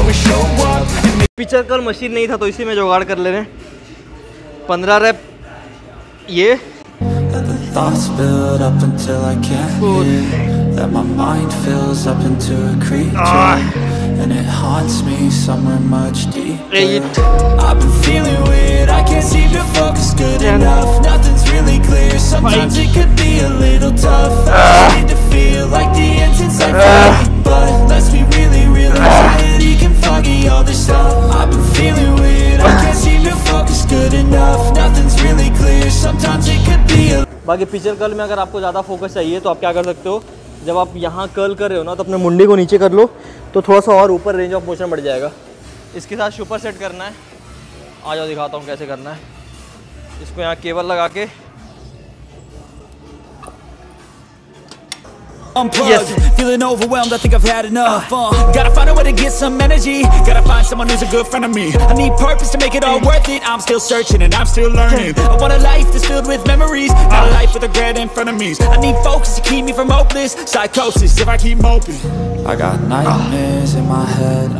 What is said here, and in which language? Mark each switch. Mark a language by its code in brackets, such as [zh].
[hi] Picture कर machine नहीं था तो इसी में जुगाड़ कर ले रहे हैं। [en] 15 [hi] रैप ये [en] thoughts build up until I can't hear, that my mind fills up into a creature, and it haunts me somewhere much deeper. I've been feeling weird, I can't seem to focus good enough, nothing's really clear, sometimes it could be a little tough, I need to feel like the end's inside me, but let's be really real, anxiety can foggy all this stuff, I've been feeling weird, I can't seem to focus good enough, nothing's really clear, sometimes it could be a. [hi] बाकी picture curl में अगर आपको ज़्यादा focus चाहिए तो आप क्या कर सकते हो, जब आप यहाँ कर्ल कर रहे हो ना, तो अपने मुंडे को नीचे कर लो, तो थोड़ा सा और ऊपर रेंज ऑफ मोशन बढ़ जाएगा। इसके साथ सुपर सेट करना है, आ जाओ दिखाता हूँ कैसे करना है। इसको यहाँ केबल लगा के [en] Yes. Feeling overwhelmed, I think I've had enough. Gotta find a way to get some energy. Gotta find someone who's a good friend of me. I need purpose to make it all worth it. I'm still searching and I'm still learning. I want a life that's filled with memories. Not a life with regret in front of me. I need focus to keep me from hopeless. Psychosis if I keep moping. I got nightmares in my head.